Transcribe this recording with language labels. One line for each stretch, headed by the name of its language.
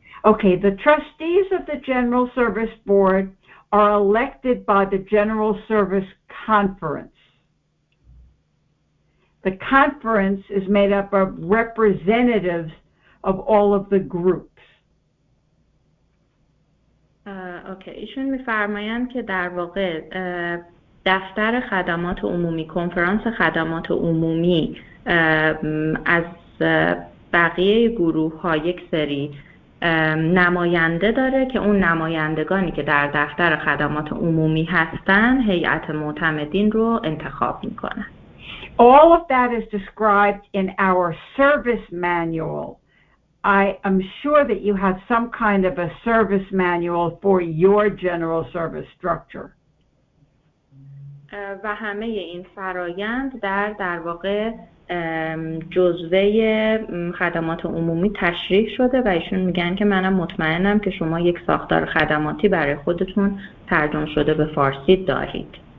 English: Okay, the trustees of the General Service Board are elected by the General Service Conference. The conference is made up of representatives of all of the groups.
Persian: Okay, ایشون میفرمایند که در واقع دفتر خدمات عمومی، کنفرانس خدمات عمومی از بقیه گروه ها یک سری نماینده داره که اون نمایندگانی که در دفتر خدمات عمومی هستن هیئت معتمدین رو انتخاب میکنن.
English: All of that is described in our service manual. I am sure that you have some kind of a service manual for your general service structure.
Persian: و همه این فرایند در واقع جزوه خدمات عمومی تشریح شده و ایشون میگن که منم مطمئنم که شما یک ساختار خدماتی برای خودتون ترجمه شده به فارسی دارید.